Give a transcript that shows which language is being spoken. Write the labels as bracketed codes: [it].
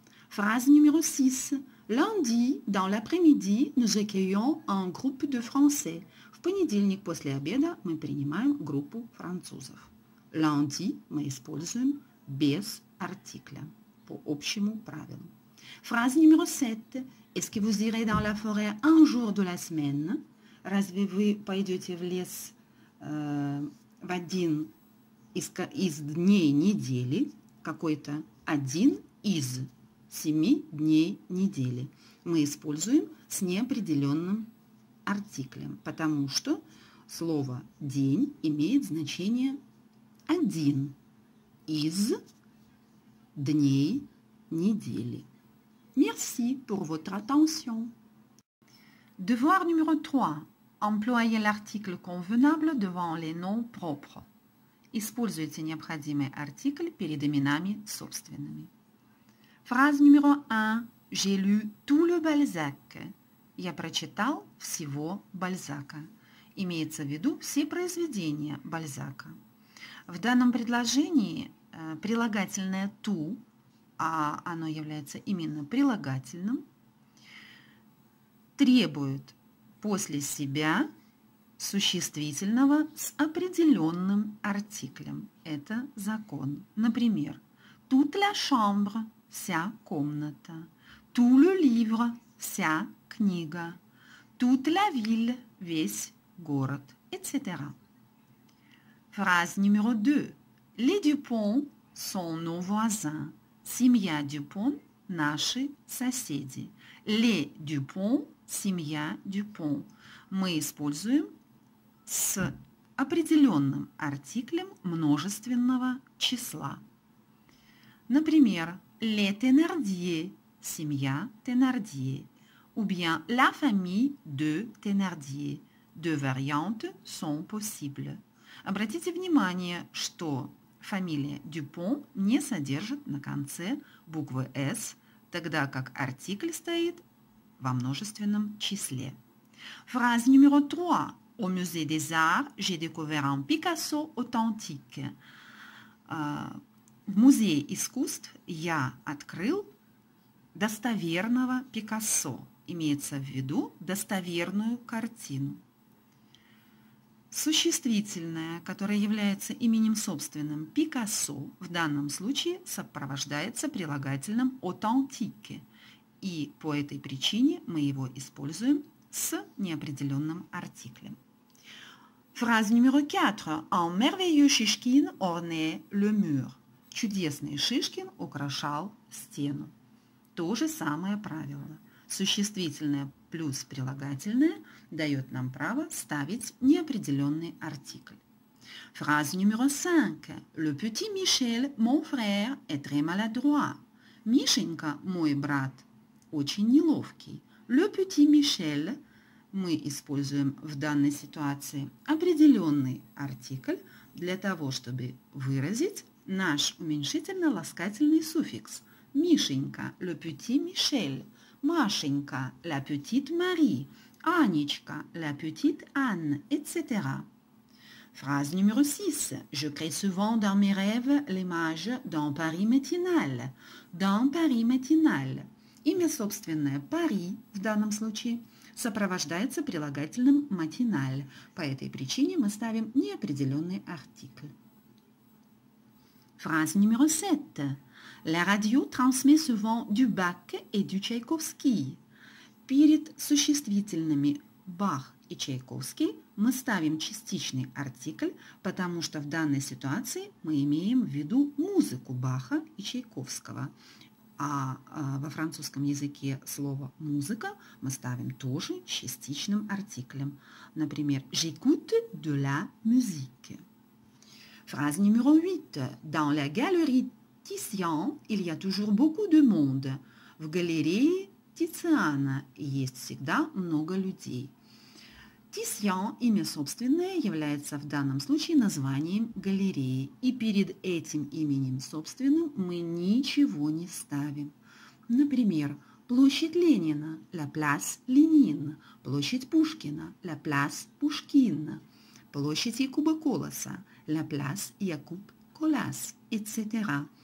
[ru] Фраза номер 6. [fr] Lundi, dans l'après-midi, nous accueillons un groupe de français. [ru] В понедельник после обеда мы принимаем группу французов. Lundi мы используем без артикля, по общему правилу. Фраза номер 7. [fr] Est-ce que vous irez dans la forêt un jour de la semaine? [ru] Разве вы пойдете в лес в один из дней недели, какой-то один из семи дней недели? Мы используем с неопределенным артиклем, потому что слово «день» имеет значение «один из дней недели». [fr] Merci pour votre attention. Devoir numéro 3. Employez l'article convenable devant les noms propres. [ru] Используйте необходимый артикль перед именами собственными. Фраза номер 1. [fr] J'ai lu tout le Balzac. [ru] Я прочитал всего Бальзака. Имеется в виду все произведения Бальзака. В данном предложении прилагательное «to», а оно является именно прилагательным, требует после себя существительного с определенным артиклем. Это закон. Например, [fr] «toute la chambre» [ru] – вся комната, [fr] «tout le livre» [ru] – вся книга, [fr] «toute la ville» [ru] – весь город, etc. Фраза номер 2. [fr] Les Dupont sont nos voisins. [ru] Семья Дюпон – наши соседи. Les Dupont – семья Дюпон. Мы используем с определенным артиклем множественного числа. Например, les Thénardier – семья Thénardier. [fr] Ou bien la famille de Thénardier. Deux variantes sont possibles. [ru] Обратите внимание, что фамилия Дюпон не содержит на конце буквы «с», тогда как артикль стоит во множественном числе. Фраза номер 3. [fr] Au musée des arts, j'ai découvert un Picasso authentique. [ru] В музее искусств я открыл достоверного Пикассо. Имеется в виду достоверную картину. Существительное, которое является именем собственным Пикассо, в данном случае сопровождается прилагательным «authentique». И по этой причине мы его используем с неопределенным артиклем. Фраза номер 4. [fr] «Un merveilleux Шишкин орне le mur». [ru] «Чудесный Шишкин украшал стену». То же самое правило. Существительное плюс прилагательное дает нам право ставить неопределенный артикль. Фраза номер 5. Le petit Michel, mon frère, est très maladroit. Мишенька, мой брат, очень неловкий. [fr] Le petit Michel, [ru] мы используем в данной ситуации определенный артикль для того, чтобы выразить наш уменьшительно-ласкательный суффикс. [fr] Мишенька, le petit Michel, Машенька, la petite Marie, Анечка, la petite Anne, etc. Phrase numéro 6. Je crée souvent dans mes rêves l'image d'un Paris matinal. D'un Paris matinal. [ru] Имя собственное «Пари» в данном случае сопровождается прилагательным «matinal». По этой причине мы ставим неопределенный артикль. [fr] Phrase numéro 7. La radio transmet souvent du Bach et du Tchaïkovski. [ru] Перед существительными «Бах» и «Чайковский» мы ставим частичный артикль, потому что в данной ситуации мы имеем в виду музыку Баха и Чайковского. А во французском языке слово «музыка» мы ставим тоже частичным артиклем. Например, [fr] «J'écoute de la musique». Phrase numéro 8. Dans la galerie Titian, il y a toujours beaucoup de monde. [ru] В галерее Тициана есть всегда много людей. Тисьян, имя собственное, является в данном случае названием галереи. И перед этим именем собственным мы ничего не ставим. Например, площадь Ленина, [fr] la place Lénine, [ru] площадь Пушкина, [fr] la place Pushkin, [ru] площадь Якуба Колоса, la place Якуб Колас, etc.